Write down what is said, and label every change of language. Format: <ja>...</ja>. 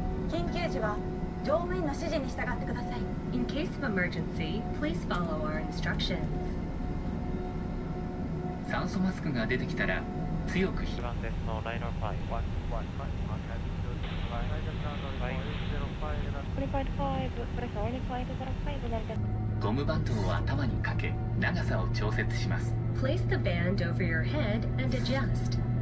<ja>緊急時は乗務員の指示に従ってください。</ja> <en>In case of emergency, please follow our instructions.</en> <ja>酸素マスクが出てきたら強く引っ張って。これファイト5プレスオーリファイトゴムバンドを頭にかけ長さを調節します。</ja> <en>Place the band over your head and adjust.</en>